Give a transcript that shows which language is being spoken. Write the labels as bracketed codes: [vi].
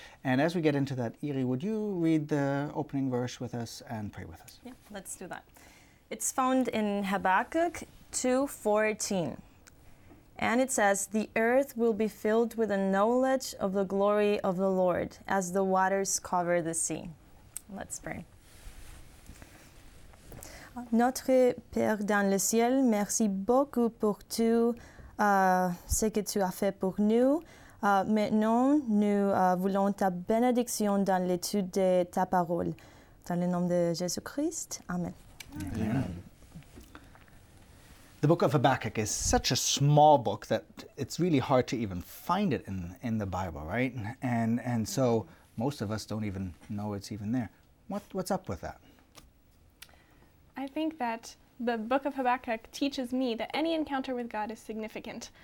[en] And as we get into that, Iri, would you read the opening verse with us and pray with us? Yeah, let's do that. It's found in Habakkuk 2:14. And it says, "The earth will be filled with the knowledge of the glory of the Lord as the waters cover the sea." Let's pray. [fr] Notre Père dans le ciel, merci beaucoup pour tout ce que tu as fait pour nous. Maintenant, nous voulons ta bénédiction dans l'étude de ta parole. Dans le nom de Jésus-Christ, amen. [en] Amen. The book of Habakkuk is such a small book that it's really hard to even find it in the Bible, right? And so most of us don't even know it's even there. What's up with that? I think that the book of Habakkuk teaches me that any encounter with God is significant.